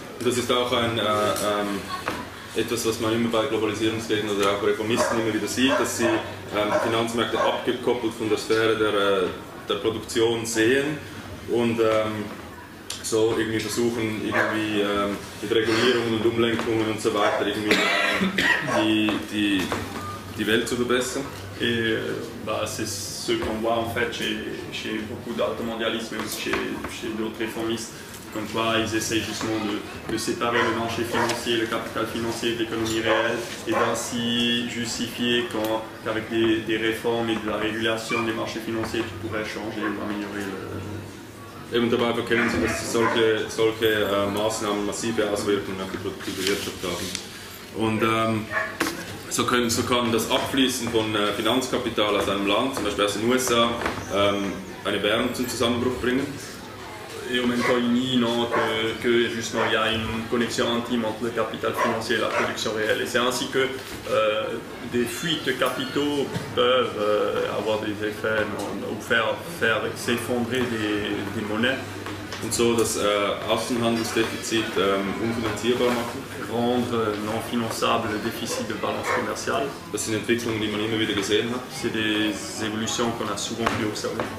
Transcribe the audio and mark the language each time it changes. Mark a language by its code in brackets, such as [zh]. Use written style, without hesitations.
[de] Das ist auch ein etwas, was man immer bei Globalisierungsgegnern oder auch Reformisten immer wieder sieht, dass sie Finanzmärkte abgekoppelt von der Sphäre der Produktion sehen. Und so irgendwie versuchen, irgendwie mit Regulierungen und Umlenkungen und so weiter irgendwie die Welt zu verbessern. [fr] Et c'est ce qu'on voit en fait chez beaucoup d'altermondialistes, mais aussi chez d'autres réformistes, comme quoi ils essayent justement de séparer le marché financier, le capital financier de l'économie réelle, et d'ainsi justifier qu'avec des réformes et de la régulation des marchés financiers, tu pourrais changer ou améliorer le. [de] Eben dabei verkennen sie, dass solche Maßnahmen massive Auswirkungen auf die produktive Wirtschaft haben. Und so kann das Abfließen von Finanzkapital aus einem Land, zum Beispiel aus den USA, eine Währung zum Zusammenbruch bringen. [fr] Et en même temps, ils nient que justement il y a une connexion intime entre le capital financier et la production réelle. Et c'est ainsi que des fuites de capitaux peuvent avoir des effets ou faire s'effondrer des monnaies. [de] Und so das Außenhandelsdefizit unfinanzierbar machen. [fr] Rendre non finançable le déficit de balance commerciale. [de] Das sind Entwicklungen, die man immer wieder gesehen hat. [fr] C'est des évolutions qu'on a souvent pu observer.